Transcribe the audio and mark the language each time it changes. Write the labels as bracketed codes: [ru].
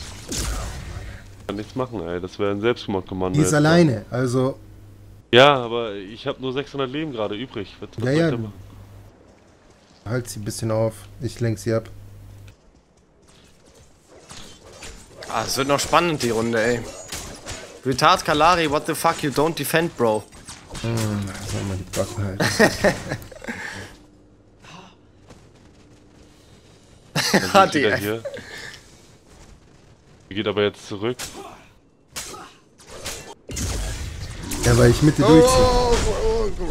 [de] Ich kann nichts machen, ey. Das wäre ein Selbstmordkommando. Die ist jetzt alleine, also... Ja, aber ich habe nur 600 Leben gerade übrig. Was ja, ja. Halt sie ein bisschen auf. Ich lenk sie ab. Ah, es wird noch spannend, die Runde, ey. [en] Retard Kalari, what the fuck, you don't defend, bro. [de] Hm, soll mal die Backen halten. Hat die hier. Die geht aber jetzt zurück. Ja, weil ich Mitte durchziehe.